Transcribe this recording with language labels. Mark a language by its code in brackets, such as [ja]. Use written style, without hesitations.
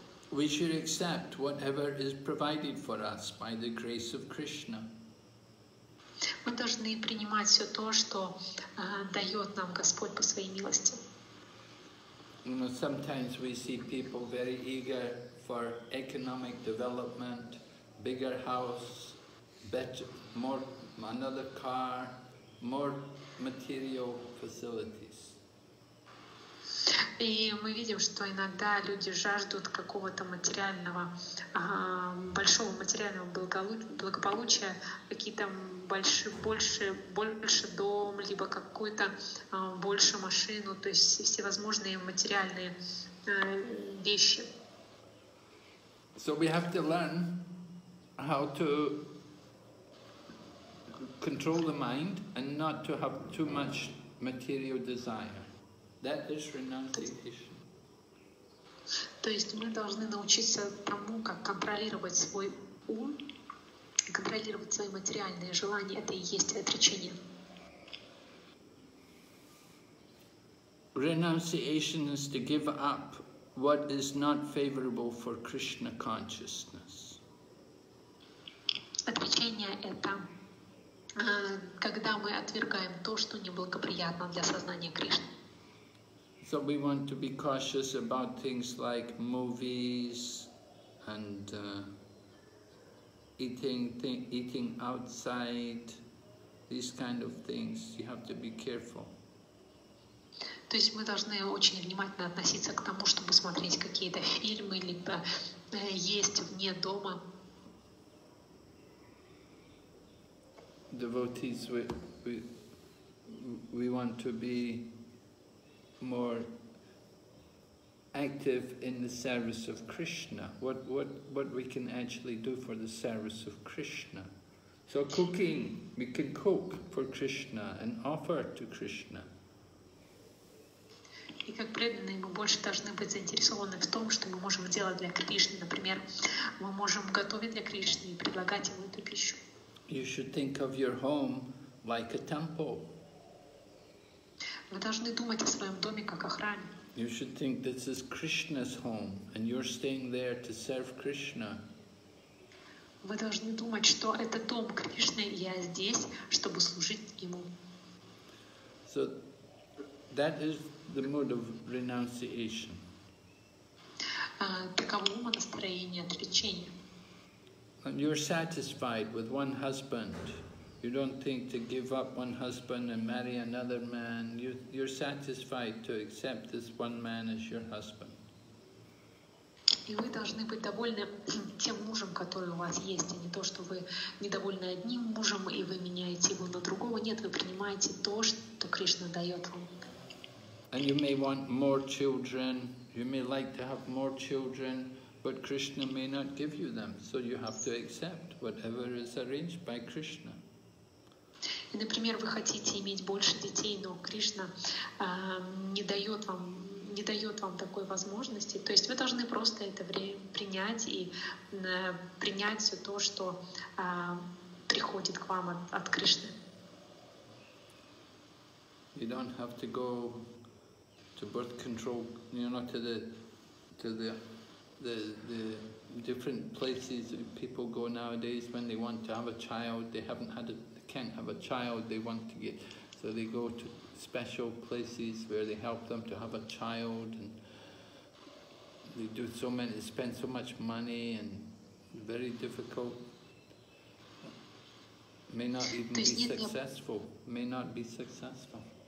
[en] We should accept whatever is provided for us by the grace of Krishna. [ru] Мы должны принимать все то, что дает нам Господь по своей милости. [en] You know, sometimes we see people very eager for economic development, bigger house, better, more, another car, more material facilities. [ru] И мы видим, что иногда люди жаждут какого-то материального, большого материального благополучия, какие-то больше дом, либо какую-то больше машину, то есть всевозможные материальные вещи. [en] So we have to learn how to control the mind and not to have too much material desire. That is renunciation. [ru] То есть мы должны научиться тому, как контролировать свой ум, контролировать свои материальные желания. Это и есть отречение. [en] Renunciation is to give up what is not favorable for Krishna consciousness. [ru] Отречение — это когда мы отвергаем то, что неблагоприятно для сознания Кришны. [en] So we want to be cautious about things like movies and eating outside, these kind of things. You have to be careful. [ru] То есть мы должны очень внимательно относиться к тому, чтобы смотреть какие-то фильмы либо есть вне дома. [en] Devotees, we want to be more active in the service of Krishna. What we can actually do for the service of Krishna. So cooking, we can cook for Krishna and offer to Krishna. [ru] И как преданные мы больше должны быть заинтересованы в том, что мы можем делать для Кришны. Например, мы можем готовить для Кришны и предлагать ему эту пищу. [en] You should think of your home like a temple. [ru] Вы должны думать о своем доме как о храме. [en] You should think this is Krishna's home, and you're staying there to serve Krishna. [ru] Вы должны думать, что это дом Кришны, и я здесь, чтобы служить ему. [en] So that is the mode of renunciation. [ru] Таково ума настроение отречения. [en] And you're satisfied with one husband. You don't think to give up one husband and marry another man. You're satisfied to accept this one man as your husband. [ru] И вы должны быть довольны тем мужем, который у вас есть, а не то, что вы недовольны одним мужем и вы меняете его на другого. Нет, вы принимаете то, что Кришна дает вам. [en] And you may want more children. You may like to have more children, but Krishna may not give you them. So you have to accept whatever is arranged by Krishna. [ru] И, например, вы хотите иметь больше детей, но Кришна не дает вам такой возможности. То есть вы должны просто это принять и принять все то, что приходит к вам от Кришны. [en] You don't have to go to birth control, you know, to the different places people go nowadays when they want to have a child. They haven't had it. Can't have a child, they want to get, so they go to special places where they help them to have a child, and they do so many, spend so much money, and very difficult, may not be successful.